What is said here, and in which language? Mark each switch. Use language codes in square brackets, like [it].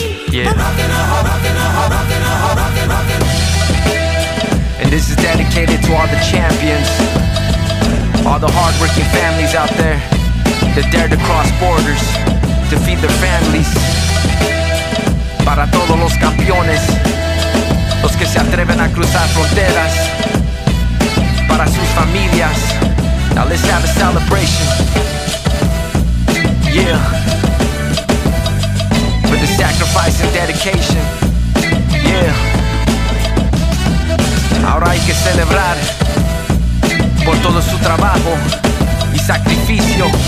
[en] Yeah. And this is dedicated to all the champions, all the hardworking families out there that dare to cross borders to feed their families. [es] Para todos los campeones, los que se atreven a cruzar fronteras, para sus familias. [en] Now let's have a celebration. Yeah. For the sacrifice and dedication. Yeah. [es] Ahora hay que celebrar por todo su trabajo y sacrificio.